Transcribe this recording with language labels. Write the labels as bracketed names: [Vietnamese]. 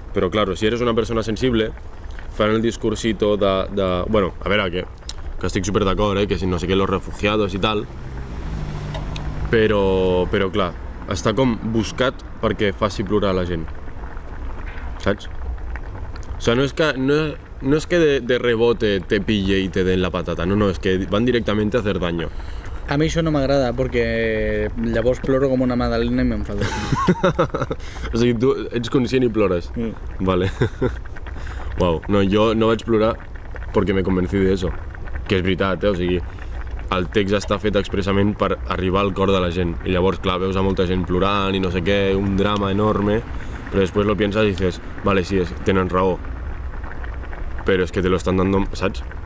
[Catalan] Però, claro, [Spanish] si eres una persona sensible, [Catalan] fan el discursito de bueno, a veure, que estic super d'acord, que si no sé què, [Spanish] los refugiados [Catalan] i tal, però, clar, està com buscat perquè faci plorar la gent. Saps? [Spanish] O sea, no es que de rebote te pille y te den la patata, no, es que van directamente a hacer daño. A mí eso no me agrada porque [Catalan] llavors ploro [Spanish] como una magdalena y me enfado. O sea, tú eres [Catalan] conscient y plores. Mm. [Spanish] Vale. Wow, no, yo no [Catalan] vaig plorar [Spanish] porque me convencí de eso. [Catalan] Que es veritat, o sigui, el text està fet expressament per arribar al cor de la gent. I llavors, clar, veus a molta gent plorant i no sé què, un drama enorme, però després [Spanish] lo piensas y dices, [Catalan] vale, sí, tenen raó. Però és que [Spanish] te lo estan dando, [Catalan] saps?